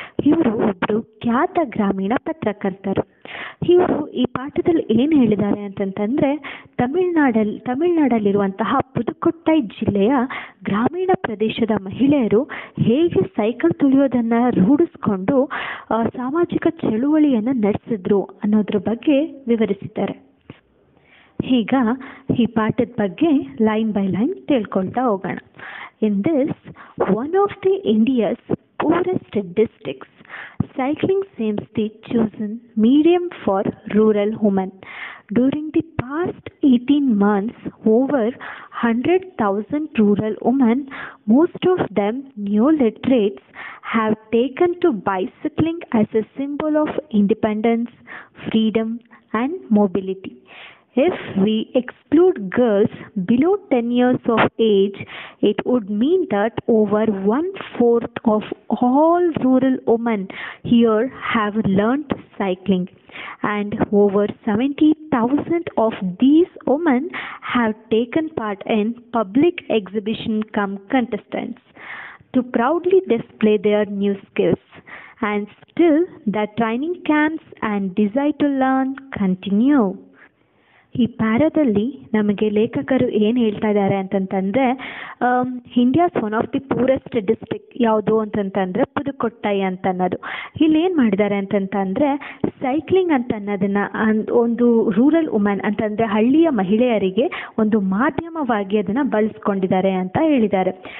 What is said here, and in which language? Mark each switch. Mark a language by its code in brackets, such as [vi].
[kn] ಇವರು ಒಬ್ಬರು ಖ್ಯಾತ ಗ್ರಾಮೀಣ ಪತ್ರಕರ್ತರು. ಇವರು ಈ ಪಾಠದಲ್ಲಿ ಏನು ಹೇಳಿದ್ದಾರೆ ಅಂತಂತಂದರೆ, ತಮಿಳ್ನಾಡಲ್ಲಿರುವಂತಹ ಪುದುಕೊಟ್ಟೈ ಜಿಲ್ಲೆಯ ಗ್ರಾಮೀಣ ಪ್ರದೇಶದ ಮಹಿಳೆಯರು ಹೇಗೆ ಸೈಕಲ್ ತುಳಿಯೋದನ್ನು ರೂಢಿಸ್ಕೊಂಡು ಸಾಮಾಜಿಕ ಚಳುವಳಿಯನ್ನು ನಡೆಸಿದ್ರು ಅನ್ನೋದ್ರ ಬಗ್ಗೆ ವಿವರಿಸಿದ್ದಾರೆ. ಈಗ ಈ ಪಾಠದ ಬಗ್ಗೆ ಲೈನ್ ಬೈ ಲೈನ್ ತಿಳ್ಕೊಳ್ತಾ ಹೋಗೋಣ. [en] In this one of the India's poorest districts, cycling seems the chosen medium for rural women. During the past 18 months, over 100,000 rural women, most of them neo-literates, have taken to bicycling as a symbol of independence, freedom and mobility. If we exclude girls below 10 years of age, it would mean that over 1/4 of all rural women here have learnt cycling, and over 70,000 of these women have taken part in public exhibition come contestants to proudly display their new skills. And still, the training camps and desire to learn continue. [kn] ಈ ಪ್ಯಾರದಲ್ಲಿ ನಮಗೆ ಲೇಖಕರು ಏನು ಹೇಳ್ತಾ ಇದ್ದಾರೆ ಅಂತಂತಂದರೆ, [en] India's one of the poorest district [kn] ಯಾವುದು ಅಂತಂತಂದರೆ ಪುದುಕೊಟ್ಟೈ ಅಂತ ಅನ್ನೋದು. ಇಲ್ಲಿ ಏನು ಮಾಡಿದ್ದಾರೆ ಅಂತಂತಂದರೆ, ಸೈಕ್ಲಿಂಗ್ ಅಂತ ಅನ್ನೋದನ್ನು ಒಂದು [en] rural women [kn] ಅಂತಂದರೆ ಹಳ್ಳಿಯ ಮಹಿಳೆಯರಿಗೆ ಒಂದು ಮಾಧ್ಯಮವಾಗಿ ಅದನ್ನು ಬಳಸ್ಕೊಂಡಿದ್ದಾರೆ ಅಂತ ಹೇಳಿದ್ದಾರೆ.